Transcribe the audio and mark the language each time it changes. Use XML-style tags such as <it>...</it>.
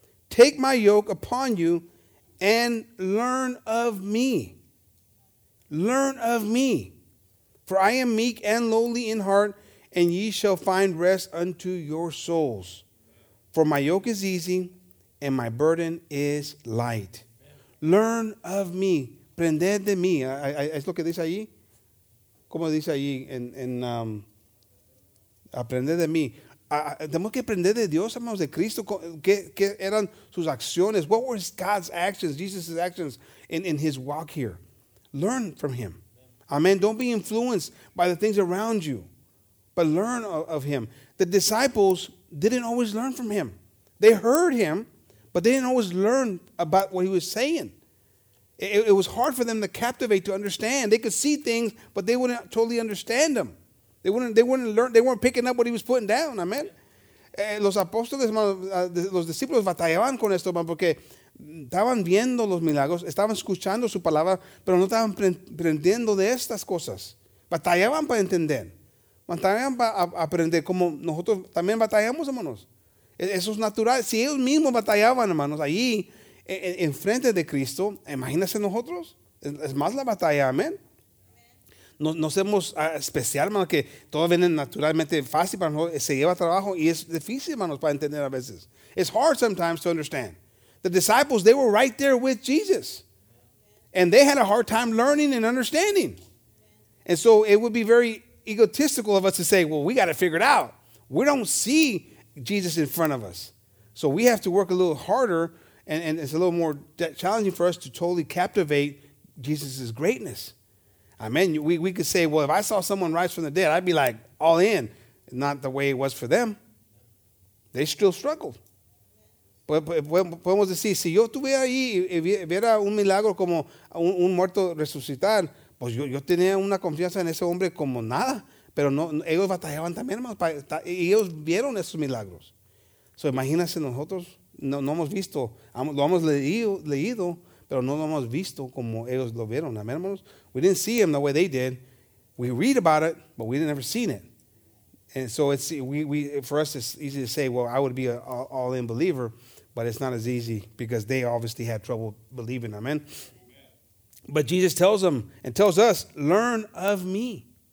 <en>Take my yoke upon you and learn of me. Learn of me. For I am meek and lowly in heart, and ye shall find rest unto your souls. For my yoke is easy and my burden is light. Learn of me.</en> <es>Aprended de mí, es lo que dice allí. ¿Cómo dice allí? Aprended de mí. Tenemos que aprender de Dios, hermanos, de Cristo. ¿Qué eran sus acciones?</es> <en>What were God's actions, Jesus' actions in his walk here? Learn from him. Amen. Don't be influenced by the things around you, but learn of him. The disciples didn't always learn from him. They heard him, but they didn't always learn about what he was saying. It was hard for them to captivate, to understand. They could see things, but they wouldn't totally understand them. They weren't picking up what he was putting down. Amen.</en> <es>los apóstoles, los discípulos batallaban con esto, hermano, porque estaban viendo los milagros, estaban escuchando su palabra, pero no estaban aprendiendo de estas cosas. Batallaban para entender, batallaban para aprender, como nosotros también batallamos, hermanos. Eso es natural. Si ellos mismos batallaban, hermanos, allí en frente de Cristo, imagínense nosotros, es más la batalla, amén. No somos especial, hermanos, que todo viene naturalmente fácil para nosotros, se lleva trabajo y es difícil, hermanos, para entender a veces.</es> <en>It's hard sometimes to understand. The disciples, they were right there with Jesus. And they had a hard time learning and understanding. And so it would be very egotistical of us to say, well, we got to figure it out. We don't see Jesus in front of us. So we have to work a little harder, and it's a little more challenging for us to totally captivate Jesus' greatness. Amen. We could say, well, if I saw someone rise from the dead, I'd be like, all in. Not the way it was for them. They still struggled.</en> <es>Podemos decir, si yo estuviera ahí y viera un milagro como un muerto resucitar, pues yo tenía una confianza en ese hombre como nada. Pero no, ellos batallaban también, hermanos, y ellos vieron esos milagros. So, imagínense nosotros, no hemos visto, lo hemos leído, pero no lo hemos visto como ellos lo vieron. Amén, hermanos.</es> <en>We didn't see him the way they did. We read about it, but we never seen it. And so it's for us, it's easy to say, well, I would be an all-in believer, but it's not as easy because they obviously had trouble believing. Amen. But Jesus tells them and tells us, learn of me.</en>